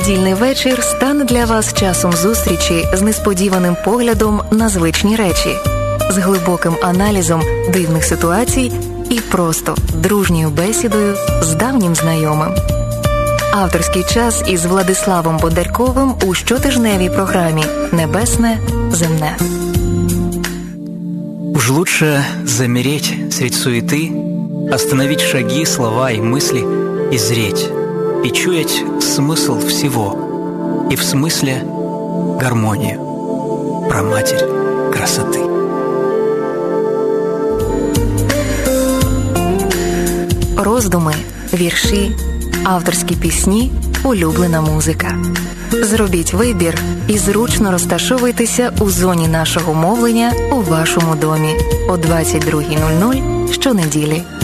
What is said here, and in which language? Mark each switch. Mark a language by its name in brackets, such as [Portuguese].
[Ukrainian] кожний вечір стане для вас часом зустрічі з несподіваним поглядом на звичні речі, з глибоким аналізом дивних ситуацій і просто дружньою бесідою з давнім знайомим. Авторський час із Владиславом Бондарковим у щотижневій програмі «Небесне, земне». [Russian] Уж лучше замереть средь суеты, остановить шаги, слова и мысли, и зреть, и чуять смысл всего, и в смысле гармонию, праматерь красоты. [Ukrainian] Роздуми, вірші, авторські пісні, улюблена музика. Зробіть вибір і зручно розташовуйтеся у зоні нашого мовлення у вашому домі о 22:00 щонеділі.